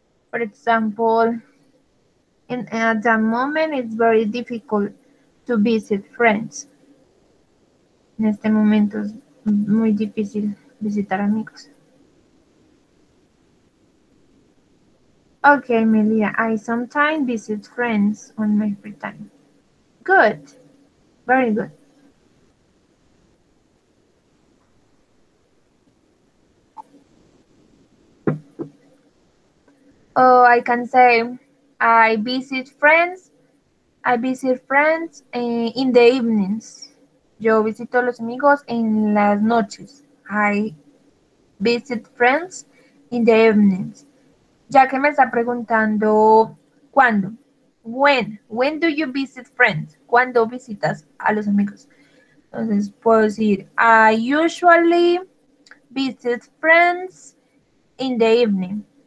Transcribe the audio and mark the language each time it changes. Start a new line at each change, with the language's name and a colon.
English: For example, at the moment, it's very difficult to visit friends.
Spanish: En este momento es muy difícil visitar amigos.
English: Okay, Melia, I sometimes visit friends on my free time. Good, very good. Oh, I can say I visit friends in the evenings.
Spanish: Yo visito a los amigos en las noches.
English: I visit friends in the evenings.
Spanish: Ya que me está preguntando cuándo.
English: When do you visit friends?
Spanish: ¿Cuándo visitas a los amigos? Entonces puedo decir
English: I usually visit friends in the evening.